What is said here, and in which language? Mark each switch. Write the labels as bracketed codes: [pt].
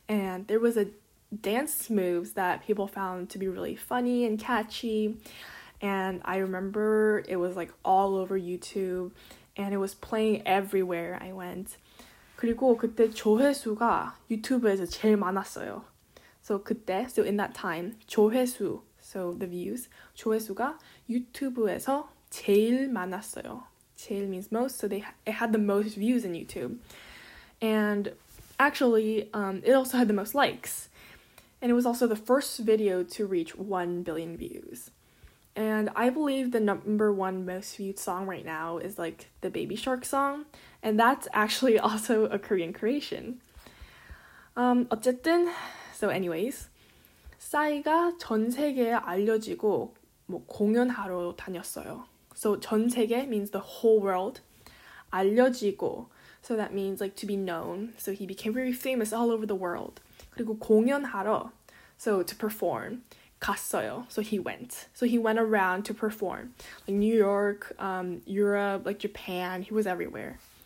[en] And there was a dance moves that people found to be really funny and catchy. And I remember it was like all over YouTube and it was playing everywhere I went. [ko] 그리고 그때 조회수가 유튜브에서 제일 많았어요. [en] So 그때, so in that time, 조회수, so the views, [ko] 조회수가 유튜브에서 제일 많았어요. [en] 제일 means most, so it had the most views on YouTube. And actually, it also had the most likes. And it was also the first video to reach 1 billion views. And I believe the number one most viewed song right now is like the Baby Shark song. And that's actually also a Korean creation. [ko] 어쨌든, [en] so anyways, [ko] 싸이가 전 세계에 알려지고 뭐 공연하러 다녔어요. [en] So [ko] 전 세계 [en] means the whole world. 알려지고, so that means like to be known. So he became very famous all over the world. [ko] 그리고 공연하러, [en] so to perform. [ko] 갔어요. [en] So he went. So he went around to perform. Like New York, Europe, like Japan, he was everywhere.